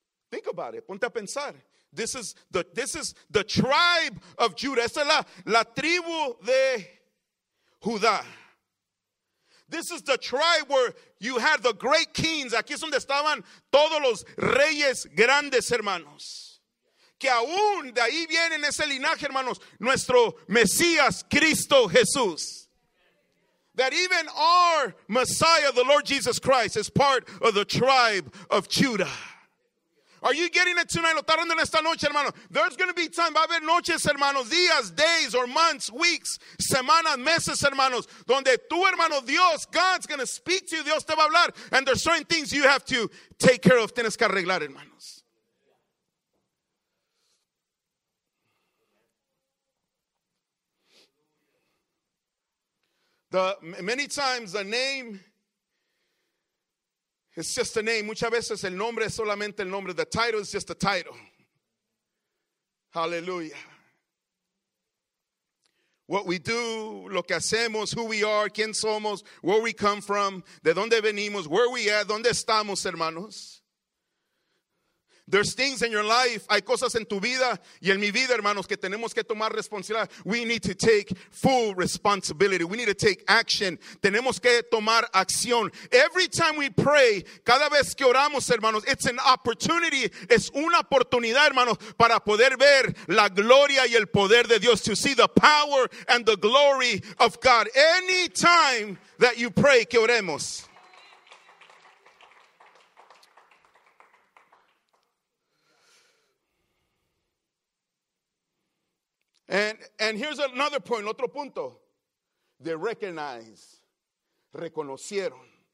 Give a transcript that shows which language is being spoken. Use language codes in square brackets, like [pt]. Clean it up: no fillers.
[en] Think about it, ponte a pensar. This is the tribe of Judah. [es] Esta es la tribu de Judá. [en] This is the tribe where you had the great kings. [es] Aquí es donde estaban todos los reyes grandes, hermanos. Que aún de ahí viene ese linaje, hermanos. Nuestro Mesías, Cristo Jesús. [en] That even our Messiah, the Lord Jesus Christ, is part of the tribe of Judah. Are you getting it tonight? [es] Lo está dando en esta noche, hermano. [en] There's going to be time. [es] Va a haber noches, hermanos. Días, [en] days, or months, weeks, [es] semanas, meses, hermanos. Donde tú, hermano, Dios, [en] God's going to speak to you. [es] Dios te va a hablar. [en] And there's certain things you have to take care of. [es] Tienes que arreglar, hermanos. [en] Many times the name, it's just a name. [es] Muchas veces el nombre es solamente el nombre. [en] The title is just a title. Hallelujah. What we do, [es] lo que hacemos, [en] who we are, [es] quién somos, [en] where we come from, [es] de dónde venimos, [en] where we are, [es] dónde estamos, hermanos. [en] There's things in your life, [es] hay cosas en tu vida y en mi vida, hermanos, que tenemos que tomar responsabilidad. [en] We need to take full responsibility. We need to take action. [es] Tenemos que tomar acción. [en] Every time we pray, [es] cada vez que oramos, hermanos, [en] it's an opportunity. [es] Es una oportunidad, hermanos, para poder ver la gloria y el poder de Dios. [en] To see the power and the glory of God. Any time that you pray, [es] que oremos. [en] And here's another point, [es] otro punto. [en] They recognize, [es] reconocieron.